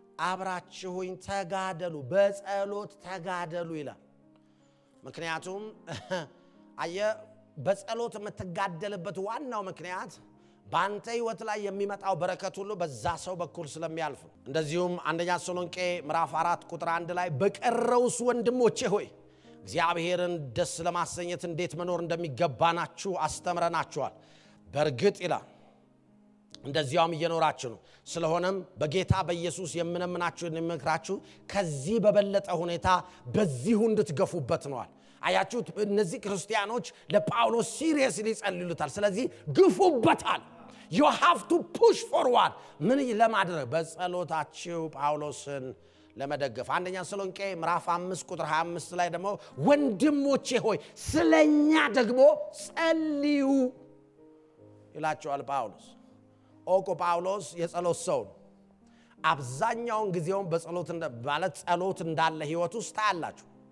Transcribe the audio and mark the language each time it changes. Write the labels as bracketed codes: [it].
[am] አብራችሁኝ ተጋደሉ በጸሎት ተጋደሉ ይላል። ምክንያቱም አየ በጸሎት መተጋደልበት ዋናው ምክንያት ባንተ ህይወት ላይ የሚመጣው በረከት ሁሉ በዛ ሰው በኩል ስለሚያልፍ። እንደዚሁም አንደኛ ሰሎንቄ ምዕራፍ 4 ቁጥር 1 ላይ በቀረውስ ወንድሞቼ ሆይ እግዚአብሔርን ደስ ለማሰኘት እንዴት መኖር እንደሚገባናችሁ አስተምረናችኋል። በርግጥ ይላል እንደዚያውም እየኖራችሁ ስለሆነም በጌታ በኢየሱስ የምንመናችሁ እንመክራችሁ ከዚህ በበለጠ ሁኔታ በዚሁ እንድትገፉበት ነው። አያችሁ እነዚህ ክርስቲያኖች ለጳውሎስ ሲሪየስሊ ጸልዩለታል። ስለዚህ ግፉበታል። [en] You have to push forward. [am] ምን ለማድረግ በጸሎታችሁ ጳውሎስን ለመደገፍ አንደኛ ሰሎንቄ ምዕራፍ 5 ቁጥር 25 ላይ ደግሞ ወንድሞቼ ሆይ ስለኛ ደግሞ ጸልዩ ይላችኋል ጳውሎስ። ኦኮ ጳውሎስ የጸሎት ሰው አብዛኛውን ጊዜውን በጸሎት ማለት ጸሎት እንዳለ ህይወት ውስጥ አላችሁ።